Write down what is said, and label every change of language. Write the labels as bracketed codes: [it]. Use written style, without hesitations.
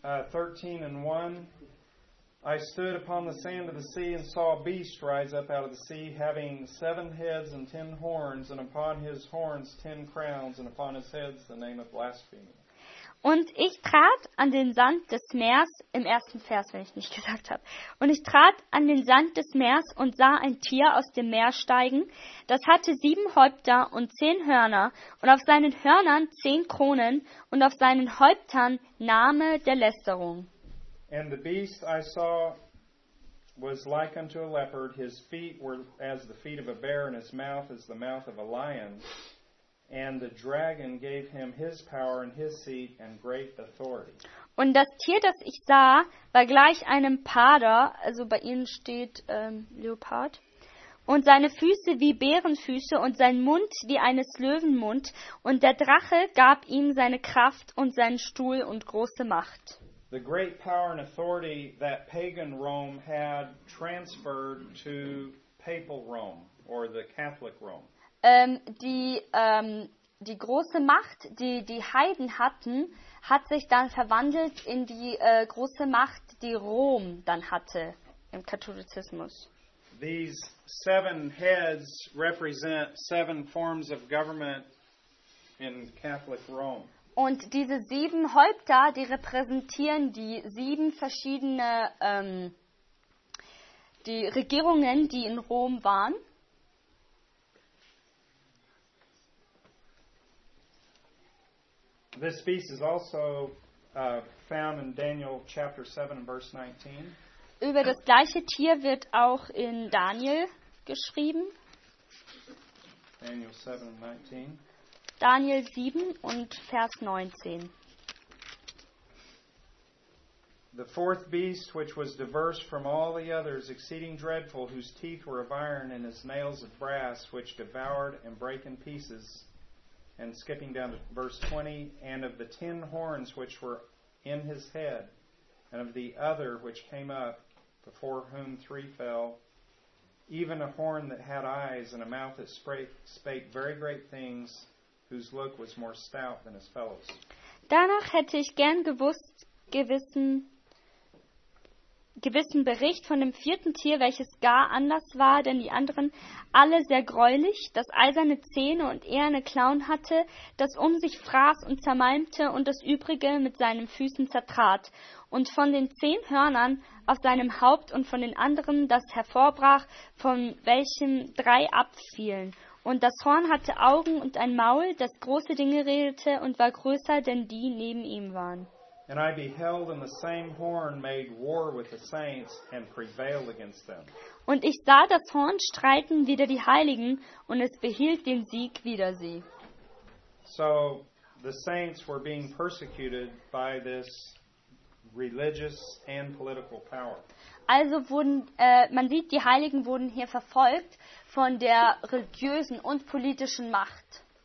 [en] Thirteen and one. I stood upon the sand of the sea and saw a beast rise up out of the sea, having seven heads and ten horns, and upon his horns ten crowns, and upon his heads the name of blasphemy. [de] Und ich trat an den Sand des Meers, im ersten Vers, wenn ich nicht gesagt habe. Und ich trat an den Sand des Meers und sah ein Tier aus dem Meer steigen. Das hatte sieben Häupter und zehn Hörner und auf seinen Hörnern zehn Kronen und auf seinen Häuptern Name der Lästerung. [en] And the beast I saw was like unto a leopard. His feet were as the feet of a bear and his mouth as the mouth of a lion. And the dragon gave him his power and his seat and great authority. [de] Und das Tier, das ich sah, war gleich einem Parder, also bei ihnen steht Leopard. Und seine Füße wie Bärenfüße und sein Mund wie eines Löwenmund. Und der Drache gab ihm seine Kraft und seinen Stuhl und große Macht. [en] The great power and authority that pagan Rome had transferred to papal Rome or the Catholic Rome. [de] Die große Macht, die die Heiden hatten, hat sich dann verwandelt in die große Macht, die Rom dann hatte im Katholizismus. [en] These seven heads represent seven forms of government in Catholic Rome. [de] Und diese sieben Häupter, die repräsentieren die sieben verschiedene die Regierungen, die in Rom waren. [en] This beast is also found in Daniel chapter 7 and verse 19. [de] Über das gleiche Tier wird auch in Daniel geschrieben. [en] Daniel 7 and 19. [de] Daniel 7 und Vers 19. [en] The fourth beast, which was diverse from all the others, exceeding dreadful, whose teeth were of iron and his nails of brass, which devoured and brake in pieces. And skipping down to verse 20, and of the ten horns which were in his head, and of the other which came up, before whom three fell, even a horn that had eyes and a mouth that spake very great things, whose look was more stout than his fellows. [de] Danach hätte ich gern gewusst, gewissen Bericht von dem vierten Tier, welches gar anders war, denn die anderen alle sehr greulich, das eiserne Zähne und eherne Klauen hatte, das um sich fraß und zermalmte und das übrige mit seinen Füßen zertrat und von den zehn Hörnern auf seinem Haupt und von den anderen das hervorbrach, von welchem drei abfielen. Und das Horn hatte Augen und ein Maul, das große Dinge redete und war größer, denn die neben ihm waren. [en] And I beheld in the same horn made war with the saints and prevailed against them. [de] Und ich sah das Horn streiten wider die Heiligen und es behielt den Sieg wider sie. [en] So the saints were being persecuted by this religious and political power. [de] Also wurden man sieht, die Heiligen wurden hier verfolgt von der religiösen und politischen Macht.